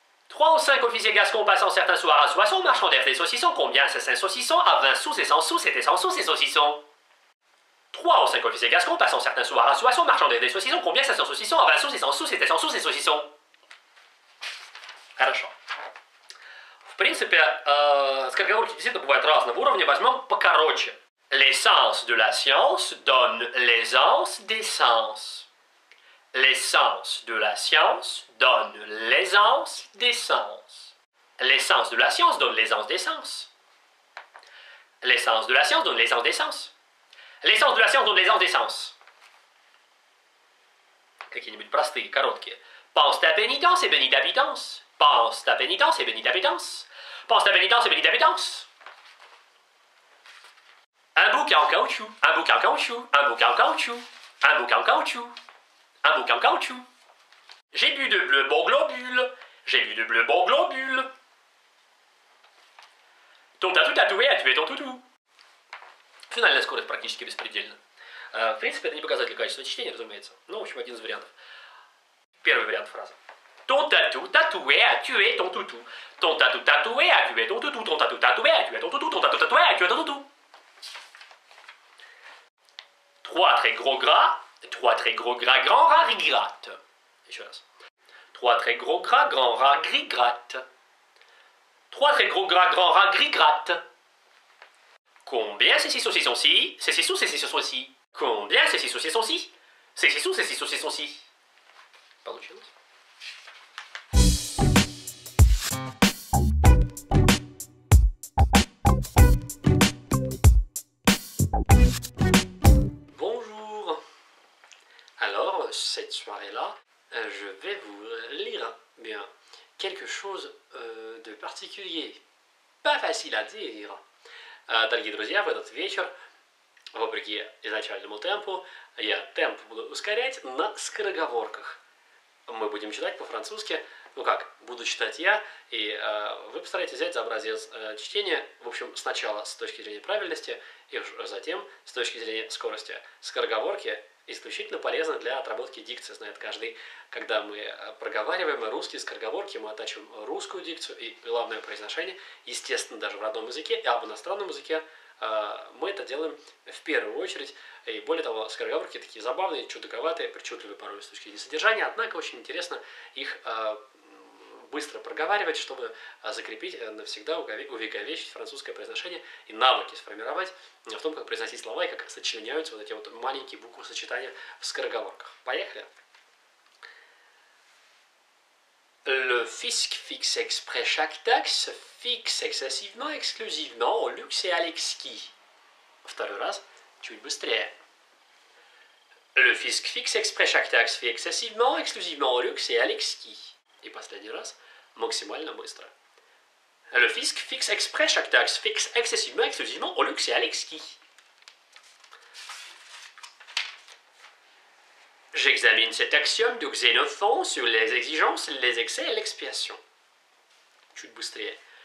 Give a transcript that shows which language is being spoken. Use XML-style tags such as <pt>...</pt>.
<fr>3 ou 5 officiers gascons passant certains soirs à Soissons, marchandaient des saucissons. Combien ces 5 saucissons? À 20 sous, c'est 100 sous, c'était 100 sous ces saucissons. 3 ou 5 officiers gascons passant certains soirs à Soissons, marchandaient des saucissons. Combien ces 5 saucissons? À 20 sous, c'est 100 sous, c'était 100 sous ces saucissons.</fr> <ru>Хорошо. В принципе, скороговорки действительно бывают разного уровня. Возьмем покороче.</ru> <fr>L'essence de la science donne l'essence des sens. L'essence de la science donne l'essence des sens. L'essence de la science donne l'essence des sens. L'essence de la science donne l'essence des sens. L'essence de la science donne l'essence des sens.</fr> <ru>Какие-нибудь простые, короткие.</ru> <fr>Pense ta pénitence et bénis ta pitance. Pense ta pénitence et bénis ta pitance. Pense ta pénitence et bénis ta pitance. Un bouquin en caoutchouc. Un bouquin en caoutchouc. Un bouquin en caoutchouc. Un bouquin en caoutchouc. Un bouquin en caoutchouc. J'ai bu de bleu bon globule. J'ai bu de bleu bon globule. Ton tatou tatoué a tué ton toutou.</fr> <ru>Финальная скорость практически беспредельна. В принципе, это не показатель качества чтения, разумеется. Ну, в общем, один из вариантов. Первый вариант фразы.</ru> <fr>Ton tatou tatoué a tué ton toutou. Ton tatou tatoué a tué ton toutou. Ton tatou tatoué a tué ton toutou. Ton tatou tatoué a tué ton toutou. Trois très gros gras. Trois très gros gras, grand rat gris gratte. Trois très gros gras, grand rat gris gratte. Trois très gros gras, grand rat gris gratte. Combien ces six saucissons si? C'est six sous ces six saucissons si? Combien ces six saucissons si? C'est six sous ces six saucissons si? Pardon, chérie. Bonjour. Alors, cette soirée-là, je vais vous lire bien quelque chose de particulier. Pas facile à dire.</fr> <ru>Дорогие друзья, в этот вечер, вопреки изначальному темпу, я темп буду ускорять на скороговорках. Мы будем читать по-французски. Ну как, буду читать я, и вы постараетесь взять за образец чтения, в общем, сначала с точки зрения правильности, и уж затем с точки зрения скорости. Скороговорки исключительно полезны для отработки дикции, знает каждый. Когда мы проговариваем русские скороговорки, мы оттачиваем русскую дикцию и главное произношение, естественно, даже в родном языке, а в иностранном языке мы это делаем в первую очередь. И более того, скороговорки такие забавные, чудаковатые, причудливые порой с точки зрения содержания, однако очень интересно их быстро проговаривать, чтобы закрепить навсегда, увековечить французское произношение и навыки сформировать в том, как произносить слова и как сочиняются вот эти вот маленькие буквосочетания в скороговорках. Поехали!</ru> <fr>Le fisc fixe exprès chaque taxe, fixe excessivement, exclusivement au luxe et à l'exquis.</fr> <ru>Второй раз, чуть быстрее.</ru> <fr>Le fisc fixe exprès chaque taxe, fixe excessivement, exclusivement au luxe et à l'exquis.</fr> <ru>Et последний раз, максимально быстро.</ru> <fr>Le fisc fixe exprès chaque taxe, fixe excessivement, exclusivement au luxe et à l'exquis. J'examine cet axiome de Xénophon sur les exigences, les excès et l'expiation. Tu te boosterais.</fr>